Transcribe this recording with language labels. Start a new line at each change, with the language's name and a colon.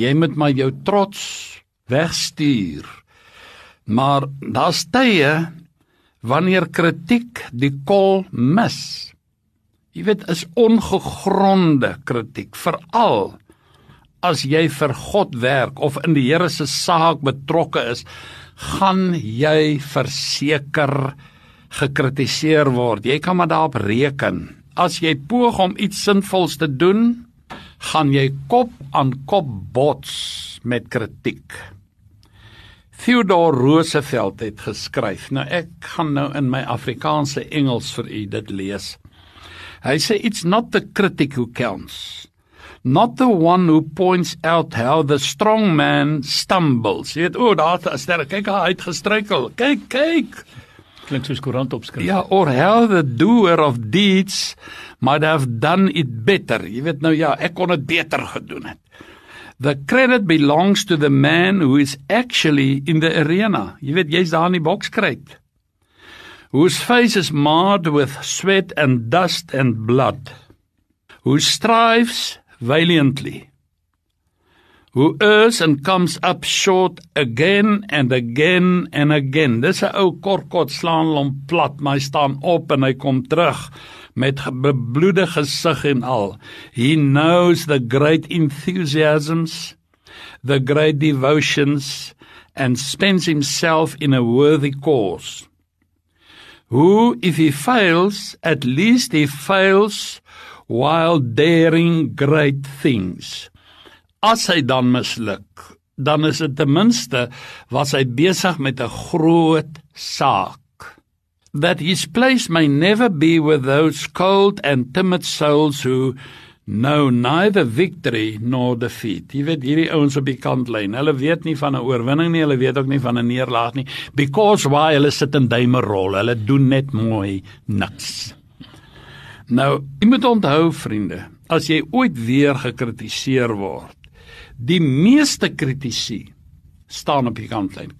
Afrikaans: Jy moet maar jou trots wegstuur. Maar daar's tye wanneer kritiek die kol mis, jy weet, is ongegronde kritiek, veral as jy vir God werk of in die Here se saak betrokke is, gaan jy verseker gekritiseer word. Jy kan maar daarop reken. As jy poog om iets sinvols te doen, gaan jy kop aan kop bots met kritiek. Theodore Roosevelt het geskryf. Nou ek gaan nou in my Afrikaanse Engels vir u dit lees. Hy sê,
English: it's not the critic who counts, not the one who points out how the strong man stumbles.
Afrikaans: Jy weet, o, daar is sterre, kyk, hy het gestruikel. Kyk. Klink soos koerant opskrif. Ja,
English: or how the doer of deeds might have done it better.
Afrikaans: Jy weet nou, ja, ek kon het beter gedoen het.
English: the credit belongs to the man who is actually in the arena.
Afrikaans: Jy weet, jy is daar in die bokskruit.
English: Whose face is marred with sweat and dust and blood. Who strives valiantly. Who errs and comes up short again and again and again.
Afrikaans: Dis 'n ou kort slaan hom plat, maar hy staan op en hy kom terug met bebloede gesig en al.
English: He knows the great enthusiasms, the great devotions, and spends himself in a worthy cause. Who, if he fails, at least he fails while daring great things.
Afrikaans: As hy dan misluk, dan is het ten minste was hy besig met 'n groot saak.
English: That his place may never be with those cold and timid souls who know neither victory nor defeat.
Afrikaans: Jy weet, hierdie ouens op die kantlyn, hulle weet nie van 'n oorwinning nie, hulle weet ook nie van 'n neerlaag nie,
English: because why
Afrikaans: hulle sit in duime rol, hulle doen net mooi niks. Nou, jy moet onthou, vriende, as jy ooit weer gekritiseer word, die meeste kritisie staan op die kantlijn.